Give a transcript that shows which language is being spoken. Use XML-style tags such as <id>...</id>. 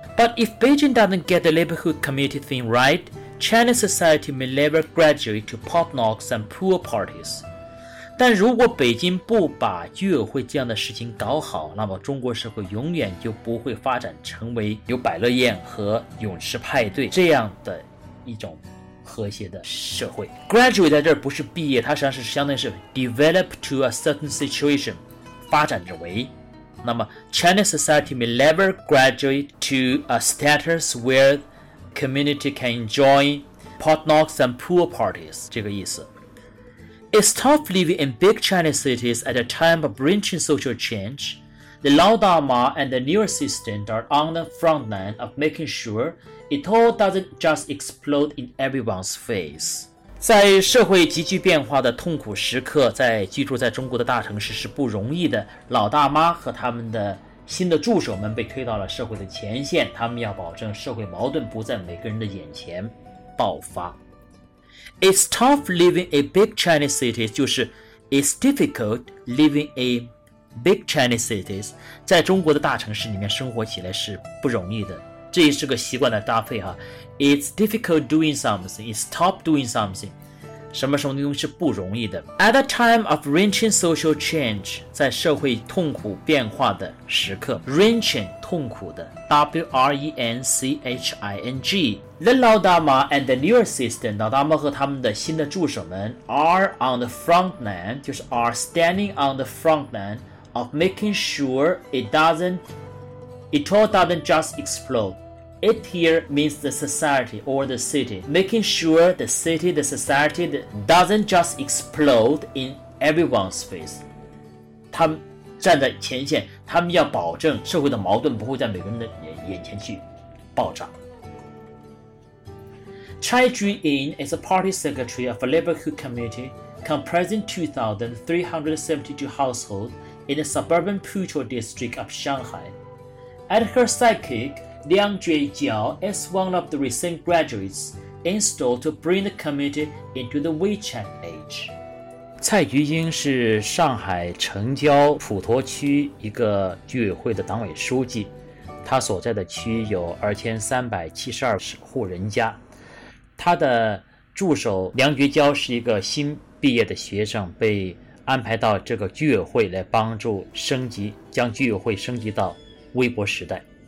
<en>But if Beijing doesn't get the neighborhood committee thing rightChinese society may never graduate to potlucks and pool parties.</en> <zh>但如果北京不把居委会这样的事情搞好，那么中国社会永远就不会发展成为有百乐宴和泳池派对这样的一种和谐的社会。 Graduate 在这儿不是毕业，它实际上是相当于是</zh> <en>develop to a certain situation，</en> <zh>发展着为。</zh> <en>那么 Chinese society may never graduate to a status where community can enjoy potlucks and pool parties.</en> <zh>这个意思。</zh> <en>It's tough living in big Chinese cities at a time of wrenching social change. The Lao Dharma and the new assistant are on the front line of making sure it all doesn't just explode in everyone's face.</en> <zh>在社会急剧变化的痛苦时刻，在居住在中国的大城市是不容易的。老大妈和他们的新的助手们被推到了社会的前线，他们要保证社会矛盾不在每个人的眼前爆发。</zh> <en>It's tough living a big Chinese city， 就是 It's difficult living a big Chinese cities，</en> <zh>在中国的大城市里面生活起来是不容易的。这也是个习惯的搭配哈。</zh> <en>It's difficult doing something， It's tough doing something，</en> <zh>什么什么东西是不容易的。</zh> <en>At a time of wrenching social change，</en> <zh>在社会痛苦变化的时刻</zh> <en>，wrenching 痛苦的 ，W-R-E-N-C-H-I-N-G， the Lao Dharma and the new assistant，</en> <zh>老大妈和他们的新的助手们</zh> <en>，are on the front line， 就是 are standing on the front line of making sure it all doesn't just explode。 It here means the society or the city, making sure the city, the society doesn't just explode in everyone's face.</en> <zh>他们站在前线，他们要保证社会的矛盾不会在每个人的眼前去爆炸。</zh> <en>Chai Jui-in is a party secretary of a neighborhood community comprising 2,372 households in the suburban Puzhou district of Shanghai. At her sidekick,Liang Jiejiao is one of the recent graduates installed to bring the community into the WeChat age.</en> <zh>蔡菊英是上海城郊普陀区一个居委会的党委书记，他所在的区有2372户人家。他的助手梁觉娇是一个新毕业的学生，被安排到这个居委会来帮助升级，将居委会升级到微博时代。</zh>